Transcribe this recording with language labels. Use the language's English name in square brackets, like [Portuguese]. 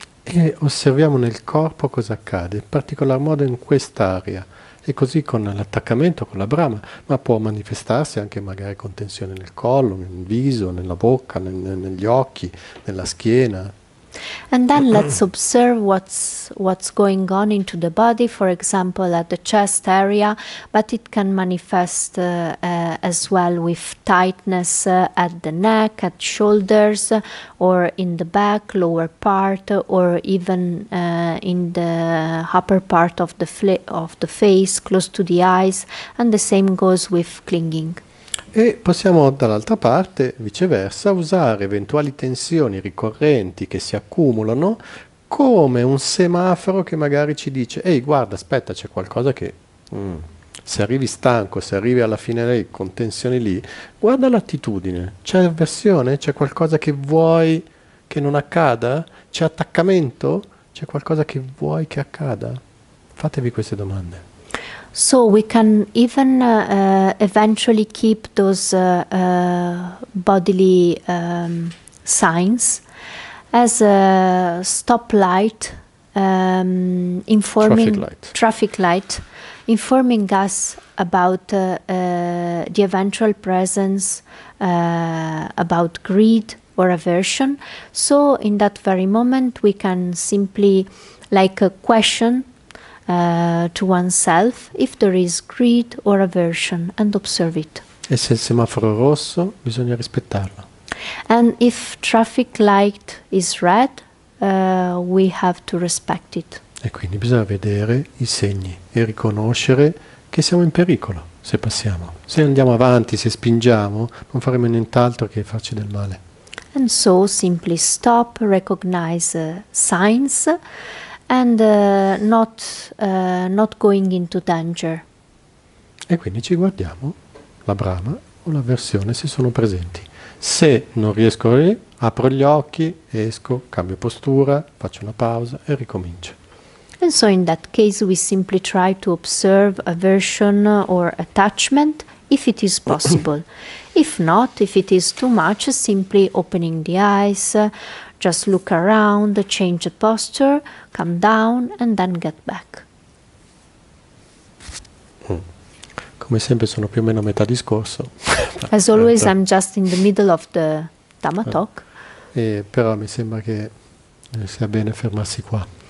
[Italian] E osserviamo nel corpo cosa accade, in particolar modo in quest'area. E così con l'attaccamento, con la brama, ma può manifestarsi anche magari con tensione nel collo, nel viso, nella bocca, negli occhi, nella schiena. [English] And then let's observe what's going on into the body, for example, at the chest area, but it can manifest as well with tightness at the neck, at shoulders, or in the back, lower part, or even in the upper part of the face, close to the eyes, and the same goes with clinging. [Italian] E possiamo dall'altra parte, viceversa, usare eventuali tensioni ricorrenti che si accumulano come un semaforo che magari ci dice: ehi, guarda, aspetta, c'è qualcosa che se arrivi stanco, se arrivi alla fine lì con tensioni lì, guarda l'attitudine, c'è avversione, c'è qualcosa che vuoi che non accada, c'è attaccamento, c'è qualcosa che vuoi che accada? Fatevi queste domande. [English] So we can even eventually keep those bodily signs as a stoplight, informing traffic light, informing us about the eventual presence, about greed or aversion. So in that very moment, we can simply, like, a question to oneself if there is greed or aversion and observe it. [Italian] E se il semaforo rosso, bisogna rispettarlo. [English] And if traffic light is red, we have to respect it. [Italian] E quindi bisogna vedere i segni e riconoscere che siamo in pericolo se passiamo. Se andiamo avanti, se spingiamo, non faremo nient'altro che farci del male. [English] And so simply stop, recognize signs, and not going into danger. [Italian] E quindi ci guardiamo la brama o l'avversione se sono presenti. Se non riesco lì, apro gli occhi, esco, cambio postura, faccio una pausa e ricomincio. [English] And so in that case we simply try to observe aversion or attachment if it is possible. If not, if it is too much, simply opening the eyes, just look around, change the posture, come down, and then get back. [Italian] Come sempre sono più o meno a metà discorso. [English] As always, I'm just in the middle of the Dhamma talk. [Italian] Però mi sembra che sia bene fermarsi qua.